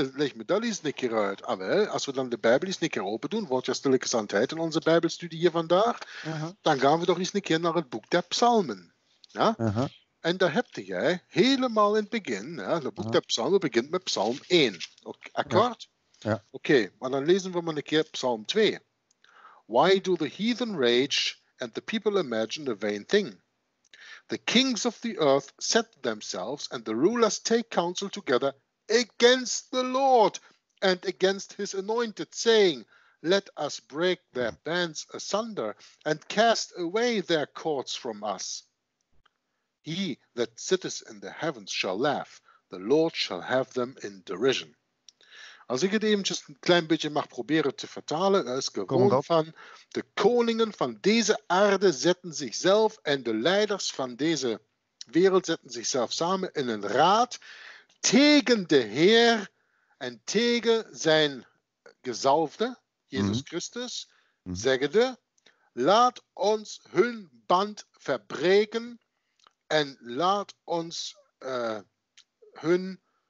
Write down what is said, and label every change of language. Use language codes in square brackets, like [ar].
[nl] Leg me dat eens een keer uit. Ah, wel, als we dan de Bijbel eens een keer open doen, wordt ja stilletjes aan tijd in onze Bijbelstudie hier vandaag, dan gaan we toch eens een keer naar het boek der Psalmen. Ja? En daar heb jij helemaal in het begin, ja, het boek der Psalmen begint met Psalm 1. Akkoord? Ja. Oké, maar dan lezen we maar een keer Psalm 2. [en] Why do the heathen rage and the people imagine a vain thing? The kings of the earth set themselves and the rulers take counsel together against the Lord and against his anointed, saying, let us break their bands asunder and cast away their cords from us. He that sitteth in the heavens shall laugh, the Lord shall have them in derision. [nl] Als ik het eventjes een klein beetje mag proberen te vertalen, dat is gewoon van de koningen van deze aarde zetten zichzelf en de leiders van deze wereld zetten zichzelf samen in een raad tegen de Heer en tegen zijn gezalfde, Jezus Christus, zeggende, laat ons hun band verbreken en laat ons hun...